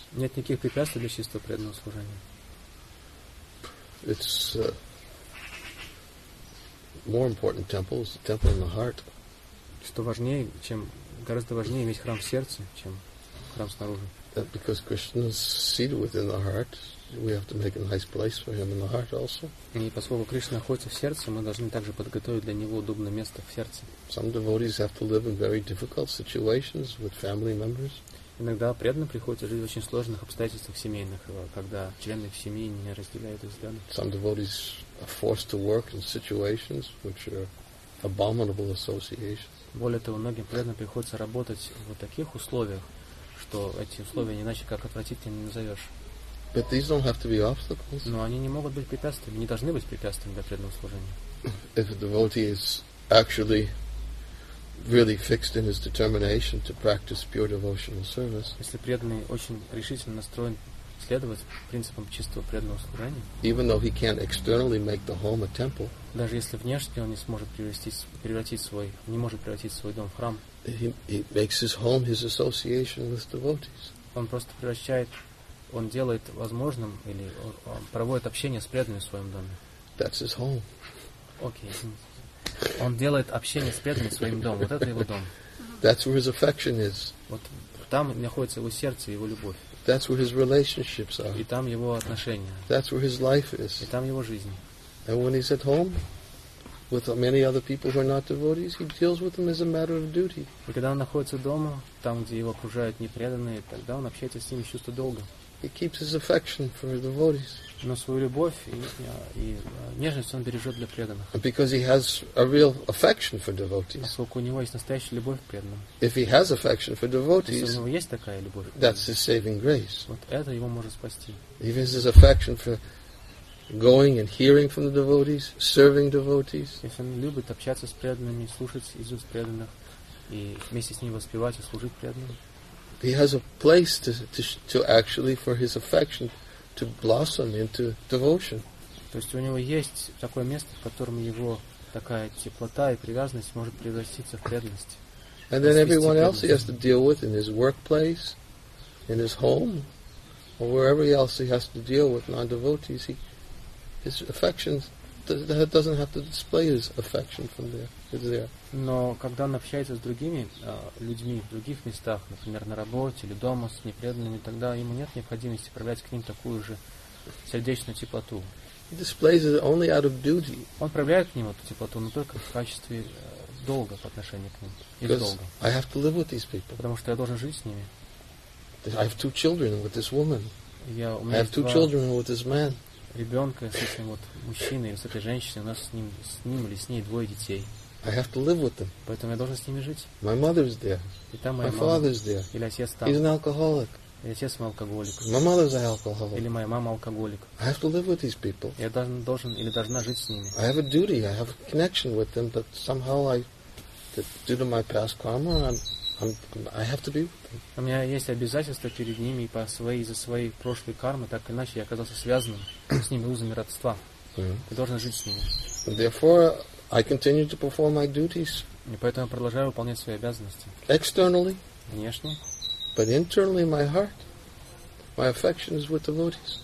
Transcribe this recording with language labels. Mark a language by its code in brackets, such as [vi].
[ru] Нет никаких препятствий для чистого преданного служения. [en] It's more important temple is the temple in the heart. [ru] Что важнее, чем гораздо важнее иметь храм в сердце, чем храм снаружи. [en] That because Krishna is seated within the heart, we have to make a nice place for him in the heart also. [ru] И поскольку Кришна находится в сердце, мы должны также подготовить для него удобное место в сердце. [en] Some devotees have to live in very difficult situations with family members. [ru] Иногда преданным приходится жить в очень сложных обстоятельствах семейных, когда члены семьи не разделяют взгляды. [en] Some devotees are forced to work in situations which are abominable associations. [ru] Более того, многим преданным приходится работать в таких условиях, что эти условия иначе как отвратительно не назовешь. [en] But these don't have to be obstacles. [ru] Но они не могут быть препятствиями, не должны быть препятствиями для преданного служения. [en] If a devotee is actually really fixed in his determination to practice pure devotional service. [ru] Если преданный очень решительно настроен следовать принципам чистого преданного служения. [en] Even though he can't externally make the home a temple. [ru] Даже если внешне он не сможет превратить свой дом в храм. [en] He makes his home his association with devotees. [ru] Он просто превращает, он делает возможным или проводит общение с преданными в своем доме. [en] That's his home. Okay. [ru] Он делает общение с преданными своим домом. Вот это его дом. [en] That's where his affection is. [ru] Вот там находится его сердце, его любовь. [en] That's where his relationships are. [ru] И там его отношения. [en] That's where his life is. [ru] И там его жизнь. [en] And when he's at home with many other people who are not devotees, he deals with them as a matter of duty. [ru] И когда он находится дома, там, где его окружают непреданные, тогда он общается с ними чувство долга. [en] He keeps his affection for the devotees. [ru] Но свою любовь и нежность он бережет для преданных. [en] Because he has a real affection for devotees. [ru] Поскольку у него есть настоящая любовь к преданным. [en] If he has affection for devotees. [ru] Если у него есть такая любовь. [en] That's his saving grace. [ru] Вот это его может спасти. [en] If he has his affection for going and hearing from the devotees, serving devotees. [ru] Если он любит общаться с преданными, слушать из уст преданных и вместе с ними воспевать и служить преданным. [en] He has a place to actually for his affection to blossom into devotion. [ru] То есть у него есть такое место, в котором его такая теплота и привязанность может превратиться в преданность. [en] And then everyone else he has to deal with in his workplace, in his home, or wherever else he has to deal with non-devotees, his affections. That doesn't have to display his affection from there. [ru] Но когда он общается с другими людьми в других местах, например, на работе или дома с непреданными, тогда ему нет необходимости проявлять к ним такую же сердечную теплоту. [en] He displays it only out of duty. [ru] Он проявляет к ним эту теплоту, но только в качестве долга по отношению к ним. [en] I have to live with these people. [ru] Потому что я должен жить с ними. [en] I have two children with this woman. I have two children with this man. [ru] Ребенка с этим вот мужчиной, с этой женщиной, у нас с ним или с ней двое детей. [en] I have to live with them. [ru] Поэтому я должен с ними жить. [en] My mother's there. [ru] И там моя мама. [en] My father's there. [ru] Или отец там. [en] He's an alcoholic. [ru] И отец мой алкоголик. [en] My mother's an alcoholic. [ru] Или моя мама алкоголик. [en] I have to live with these people. [ru] Я должен или должна жить с ними. [en] I have a duty. I have a connection with them, but somehow due to my past karma, I have to be with them. [ru] У меня есть обязательства перед ними из-за своей прошлой кармы, так иначе я оказался связанным с ними узами родства. Я должен жить с ними. [en] Therefore, I continue to perform my duties. [ru] И поэтому продолжаю выполнять свои обязанности. [en] Externally. [ru] Внешне. [en] But internally, my heart, my affection is with the devotees.